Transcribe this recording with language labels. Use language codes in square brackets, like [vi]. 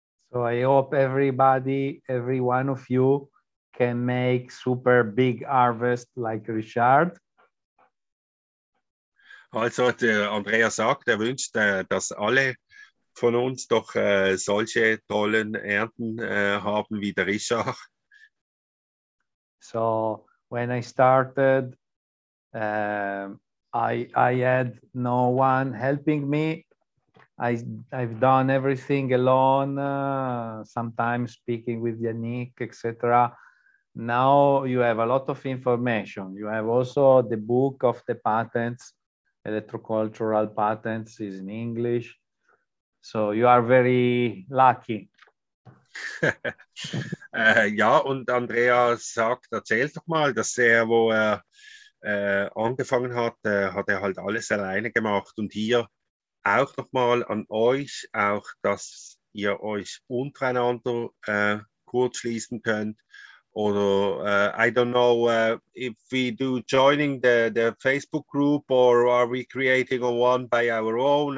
[en] So I hope every one of you can make super big harvest like Richard. [de] Also der Andrea sagt, er wünscht, dass alle von uns doch solche tollen Ernten haben wie der Richard. [en] So when I started, I had no one helping me. I've done everything alone, sometimes speaking with Yannick, etc. Now you have a lot of information. You have also the book of the patents, electrocultural patents is in English. So you are very lucky. [de] ja, und Andrea sagt, erzähl doch mal, dass er, wo er angefangen hat, hat er halt alles alleine gemacht. Und hier auch nochmal an euch, auch, dass ihr euch untereinander kurz schließen könnt. Oder [en] I don't know if we do joining the Facebook group or are we creating a one by our own?